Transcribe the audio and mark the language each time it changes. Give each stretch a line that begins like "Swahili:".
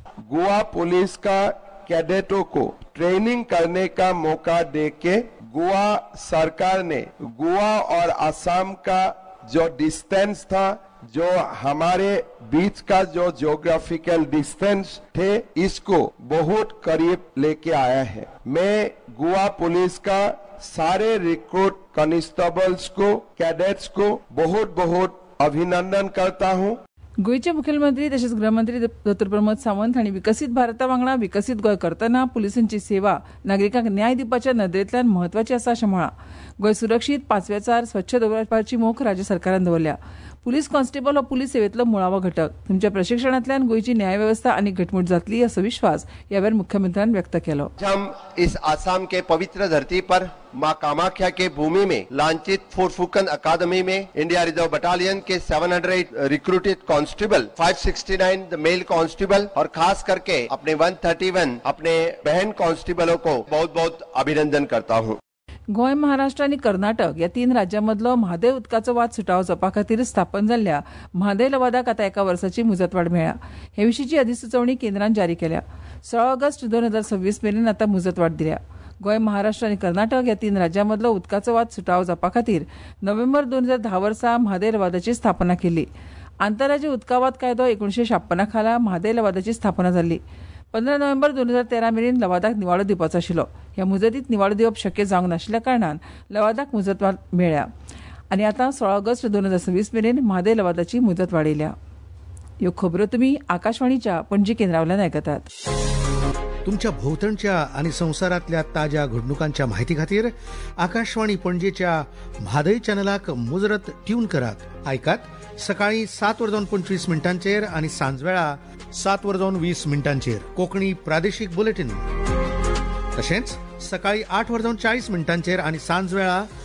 Hindi: Goa police का कॅडेटो को training करणे का मौका दे के गोवा सरकारने गोवा और आसाम का जो डिस्टेंस था जो हमारे बीच का जो ज्योग्राफिकल डिस्टेंस थे इसको बहुत करीब लेके आया है. मैं गोवा पुलिस का सारे रिक्रूट कॉन्स्टेबल्स को कैडेट्स को बहुत बहुत अभिनंदन करता हूँ.
Goan Konkani: गोंयचे मुखेलमंत्री तशेंच गृहमंत्री दत्तोय प्रमोद सावंत हांणी विकसीत भारता वांगडा विकसीत गोंय करतना पुलिसांची सेवा नागरिकांक न्याय दिवपाच्या नदरेंतल्यान म्हत्वाची आसा अशें म्हळां. गोंय सुरक्षीत, पांचव्याचार, स्वच्छ दवरपाची मोख राज्य सरकारान दवरल्या. पुलीस कॉन्स्टेबल हो पुलीस सेवेतलो मुळावो घटक. तुमच्या प्रशिक्षणातल्यान गोंयची न्यायवेवस्था आनी घटमूट जातली असो विश्वास ह्यावेळार मुख्यमंत्र्यांनी व्यक्त केलो.
Hindi: आसाम के पवित्र धरती पर माँ कामाख्या के भूमि में लांचित फुरफुकन अकादमी में इंडिया रिजर्व बटालियन के 700 recruited constable 569 the mail constable और खास करके अपने 131 अपने बहन कांस्टेबलों को बहुत बहुत अभिनंदन करता हूँ.
Goan Konkani: गोंय, महाराष्ट्र आनी कर्नाटक ह्या 3 राज्यांमधलो म्हादय उदकाचो वाद सुटावो जावपा खातीर स्थापन जाल्ल्या म्हादय लवादाक आतां 1 वर्साची मुजतवाड मेळ्ळ्या. हे विशींची अधिसुचोवणी केंद्रान जारी केल्या. 16 ऑगस्ट 2026 मेरेन आतां मुजतवाड दिल्या. गोंय, महाराष्ट्र आनी कर्नाटक ह्या 3 राज्यांमधलो उदकाचो वाद सुटावो जावपा खातीर नोव्हेंबर 2010 म्हादय लवादाची स्थापना केल्ली. आंतरराज्य उदकावाद कायदो 1956 खाला म्हादय लवादाची स्थापना जाल्ली. 15 नोव्हेंबर 2013 मेरेन लवादाक निवाडो दिवपाचो आशिल्लो. ह्या मुजतीत निवाडो दिवप शक्य जावंक नाशिल्ल्या कारणान लवादाक मुजतवाड मेळ्ळ्या आनी आतां 16 ऑगस्ट 2026 मेरेन म्हादय लवादाची मुजत वाडयल्या. ह्यो खबरो तुमी आकाशवाणीच्या पणजी केंद्रावल्यान आयकतात. तुमच्या भोवतणच्या आणि संसारातल्या ताज्या घडणुकांच्या माहिती खातीर आकाशवाणी पणजीच्या म्हादय चॅनलाक मुजरत ट्यून करात. ऐकात सकाळी 7:25 आणि सांजवेळा 7:20 कोकणी प्रादेशिक बुलेटिन. तसेच सकाळी 8:40 आणि सांजवेळा